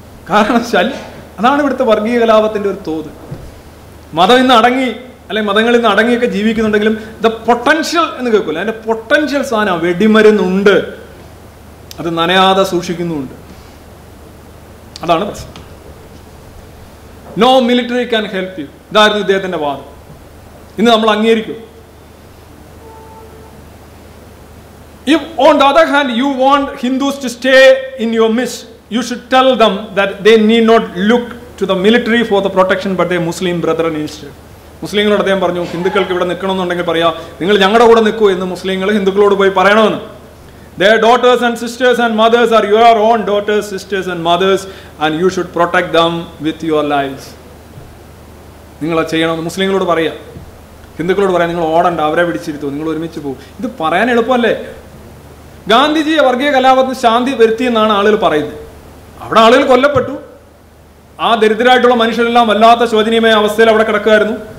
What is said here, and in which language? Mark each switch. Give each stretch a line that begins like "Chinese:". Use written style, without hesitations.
Malayalam: കാരണം വെച്ചാൽ അതാണ് ഇവിടുത്തെ വർഗീയ കലാപത്തിന്റെ ഒരു തോത്. മതം ഇന്ന് അടങ്ങി അല്ലെങ്കിൽ മതങ്ങളിൽ നിന്ന് അടങ്ങിയൊക്കെ ജീവിക്കുന്നുണ്ടെങ്കിലും ദ പൊട്ടൻഷ്യൽ എന്ന് കേൾക്കില്ല, അതിന്റെ പൊട്ടൻഷ്യൽ സാധനം വെടിമരുന്നുണ്ട്, അത് നനയാതെ സൂക്ഷിക്കുന്നുണ്ട്. അതാണ് പ്രശ്നം.
English: no military can help you,
Malayalam: ഇതായിരുന്നു ഇദ്ദേഹത്തിന്റെ വാദം. ഇന്ന് നമ്മൾ അംഗീകരിക്കും.
English: If on the other hand you want Hindus to stay in your midst, you should tell them that they need not look to the military for the protection, but their Muslim brethren instead.
Malayalam: മുസ്ലിങ്ങളോട് അദ്ദേഹം പറഞ്ഞു, ഹിന്ദുക്കൾക്ക് ഇവിടെ നിൽക്കണമെന്നുണ്ടെങ്കിൽ പറയാ നിങ്ങൾ ഞങ്ങളുടെ കൂടെ നിൽക്കൂ എന്ന് മുസ്ലിങ്ങൾ ഹിന്ദുക്കളോട് പോയി പറയണമെന്ന്.
English: Their daughters and sisters and mothers are your own daughters, sisters and mothers, and you should protect them with your lives.
Malayalam: നിങ്ങൾ ചെയ്യണം മുസ്ലിങ്ങളോട് പറയാ, ഹിന്ദുക്കളോട് പറയാം നിങ്ങൾ ഓടണ്ട, അവരെ പിടിച്ചിരുത്തു, നിങ്ങൾ ഒരുമിച്ച് പോകും. ഇത് പറയാൻ എളുപ്പമല്ലേ? ഗാന്ധിജിയെ വർഗീയ കലാപത്തിന് ശാന്തി വരുത്തി എന്നാണ് ആളുകൾ പറയുന്നത്. അവിടെ ആളുകൾ കൊല്ലപ്പെട്ടു, ആ ദരിദ്രരായിട്ടുള്ള മനുഷ്യരെല്ലാം വല്ലാത്ത ശോചനീയമായ അവസ്ഥയിൽ അവിടെ കിടക്കുമായിരുന്നു.